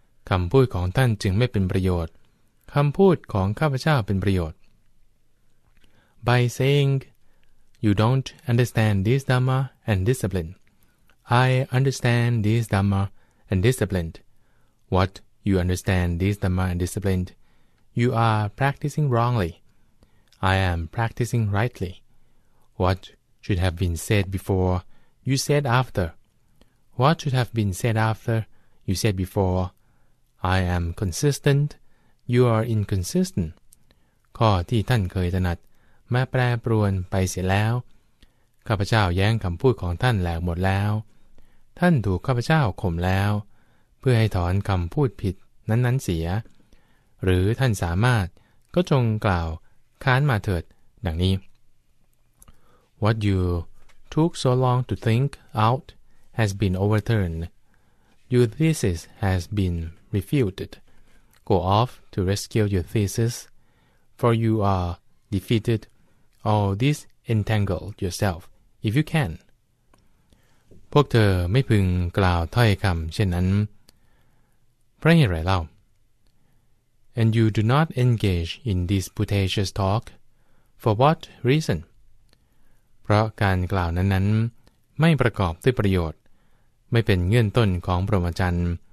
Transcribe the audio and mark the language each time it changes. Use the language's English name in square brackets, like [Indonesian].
[Thai] คำพูดของท่านจึงไม่เป็นประโยชน์คำพูดของข้าพเจ้าเป็นประโยชน์ [English] By saying you don't understand this dhamma and discipline I understand this dhamma and discipline What you understand this dhamma and discipline You are practicing wrongly I am practicing rightly. What should have been said before, you said after. What should have been said after, you said before. I am consistent, you are inconsistent. [Thai] ข้อที่ท่านเคยถนัดมาแปรปรวนไปเสียแล้วข้าพเจ้าแย้งคำพูดของท่านแหลกหมดแล้วท่านถูกข้าพเจ้าข่มแล้วเพื่อให้ถอนคำพูดผิดนั้นๆเสียหรือท่านสามารถก็จงกล่าวค้านมาเถิดดังนี้ [English] What you took so long to think out has been overturned. Your thesis has been refuted. Go off to rescue your thesis, for you are defeated or disentangle yourself if you can. [Thai] พวกเธอไม่พึงกล่าวถ้อยคำเช่นนั้นเพราะเหตุไรเล่า [English] And you do not engage in disputatious talk. For what reason? [Thai] เพราะการกล่าวนั้นๆไม่ประกอบด้วยประโยชน์ไม่เป็นเงื่อนต้นของพรหมจรรย์